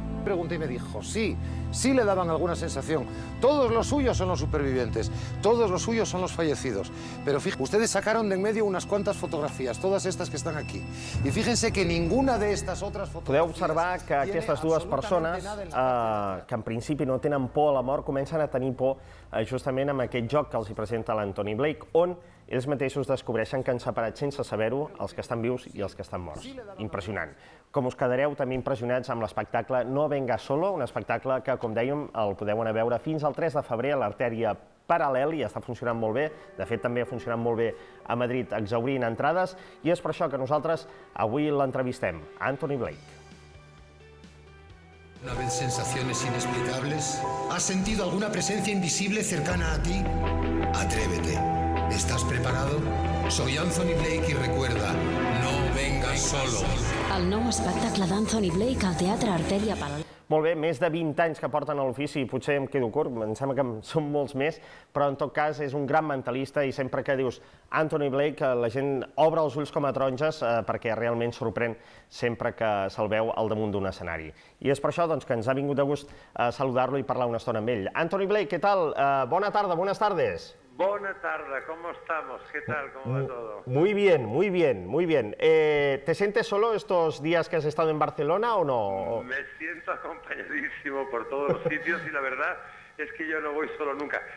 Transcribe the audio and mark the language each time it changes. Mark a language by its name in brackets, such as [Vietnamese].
[Spanish] Pregunté y me dijo, sí, sí le daban alguna sensación. Todos los suyos son los supervivientes, todos los suyos son los fallecidos. Pero fíjense, ustedes sacaron de en medio unas cuantas fotografías, todas estas que están aquí. Y fíjense que ninguna de estas otras fotografías... [Catalan] Podeu observar que aquestes dues persones, que en principi no tenen por a la mort, comencen a tenir por justament amb aquest joc que els presenta l'Anthony Blake, on ells mateixos descobreixen que han separat sense saber-ho els que estan vius i els que estan morts. Impressionant. Com us quedareu també impressionats amb l'espectacle No venga solo, un espectacle que, com dèiem, el podeu anar a veure fins al 3 de febrer a l'artèria Paral·lel i està funcionant molt bé. De fet, també ha funcionat molt bé a Madrid, exhaurint entrades. I és per això que nosaltres avui l'entrevistem, Anthony Blake. [Spanish] ¿Una vez sensaciones inexplicables? ¿Has sentido alguna presencia invisible cercana a ti? Atrévete. ¿Estás preparado? Soy Anthony Blake y recuerda, no vengas solo. [Catalan] El nou espectacle d'Anthony Blake al Teatre Artèria Paral·lel. Molt bé, més de 20 anys que porten a l'ofici i potser em quedo curt, em sembla que són molts més, però en tot cas és un gran mentalista i sempre que dius Anthony Blake la gent obre els ulls com a taronges perquè realment sorprèn sempre que se'l veu al damunt d'un escenari. I és per això que ens ha vingut de gust saludar-lo i parlar una estona amb ell. Anthony Blake, què tal? Bona tarda, bones tardes. Bona tarda, [Spanish] ¿cómo estamos? ¿Qué tal? ¿Cómo va todo? Muy bien, muy bien, muy bien. ¿Te sientes solo estos días que has estado en Barcelona o no? Me siento acompañadísimo por todos los sitios y la verdad es que yo no voy solo nunca.